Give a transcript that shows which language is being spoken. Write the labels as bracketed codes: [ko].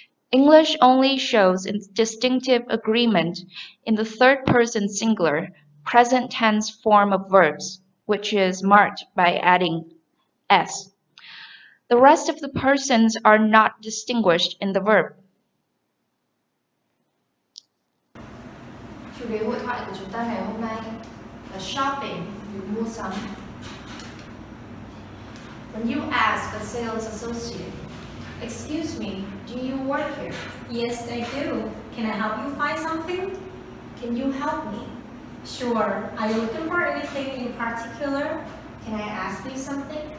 [en] English only shows its distinctive agreement in the third person singular, present tense form of verbs, which is marked by adding s. The rest of the persons are not distinguished in the verb. [vi] Chủ đề hội thoại của chúng ta ngày hôm nay là shopping, việc mua sắm. [en] When you ask a sales associate, "Excuse me, do you work here?" "Yes, I do. Can I help you find something?" "Can you help me?" "Sure. Are you looking for anything in particular?" "Can I ask you something?"